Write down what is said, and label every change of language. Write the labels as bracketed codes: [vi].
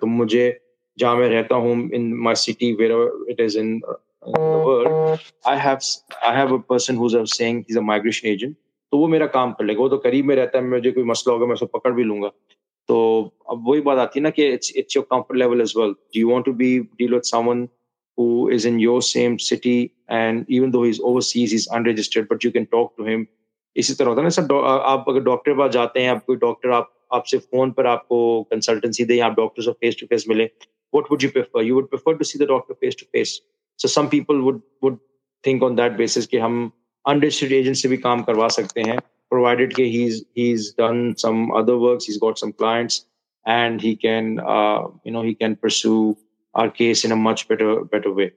[hi] To mujhe jahan main rehta hun, [en] in my city, wherever it is in the world, I have a person who's saying he's a migration agent, [hi] तो वो मेरा काम कर लेगा, वो तो करीब में रहता है, मुझे कोई मसला होगा मैं उसको पकड़ भी लूंगा. तो अब वही बात आती है ना कि [en] It's your comfort level as well. Do you want to be deal with someone who is in your same city and even though he is overseas, he is unregistered, but you can talk to him. [hi] इसी तरह होता है ना sir, आप अगर doctor के पास जाते हैं, आप कोई डॉक्टर आपसे फोन पर आपको कंसल्टेंसी दे, या आप डॉक्टर से फेस टू फेस मिले, [en] What would you prefer? You would prefer to see the doctor face to face. So some people would think on that basis [hi] कि हम unregistered agent se bhi kaam karwa sakte hain, [en] provided ke he's done some other works, he's got some clients, and he can he can pursue our case in a much better way.